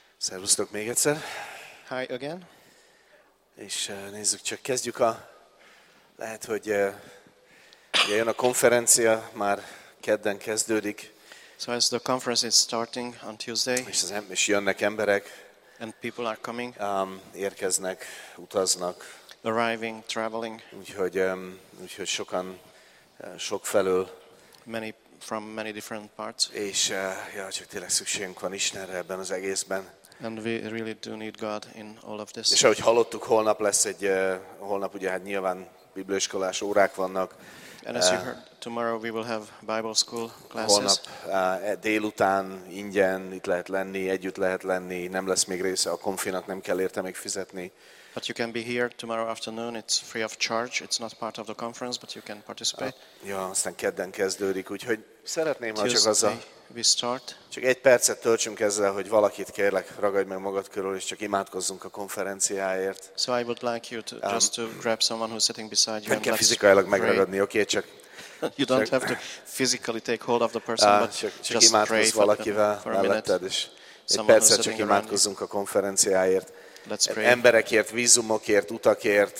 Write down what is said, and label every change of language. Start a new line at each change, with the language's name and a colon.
Hungarian: Szervusztok még egyszer.
English: Hi again.
Hungarian: És nézzük, csak kezdjük a... Lehet, hogy jön a konferencia, már kedden kezdődik.
English: So as the conference is starting on Tuesday.
Hungarian: És jönnek emberek.
English: And people are coming.
Hungarian: Érkeznek, utaznak.
English: Arriving, traveling.
Hungarian: Úgyhogy sokan, sok felől.
English: Many from many different parts.
Hungarian: És csak tényleg szükségünk van Istenre ebben az egészben.
English: And we really do need God in all of this.
Hungarian: És ahogy hallottuk, holnap lesz egy holnap ugye hát nyilván bibliaiskolás órák vannak.
English: And as you heard, tomorrow we will have Bible school classes.
Hungarian: Holnap délután ingyen itt lehet lenni, együtt lehet lenni, nem lesz még része a konfinak, nem kell érte még fizetni.
English: But you can be here tomorrow afternoon, it's free of charge, it's not part of the conference, but you can participate.
Hungarian: Ja, aztán kedden kezdődik, úgyhogy szeretném, ha csak azzal...
English: We start.
Hungarian: Csak egy percet töltsünk ezzel, hogy valakit kérlek, ragadj meg magad körül, és csak imádkozzunk a konferenciáért.
English: So I would like you to just to grab someone who's sitting beside you.
Hungarian: Nem kell fizikailag megragadni, oké, okay, csak...
English: You don't have to physically take hold of the person, but
Hungarian: csak imádkozz valakivel melletted, és egy percet csak imádkozzunk a konferenciáért.
English: Let's pray.
Hungarian: Emberekért, vízumokért, utakért,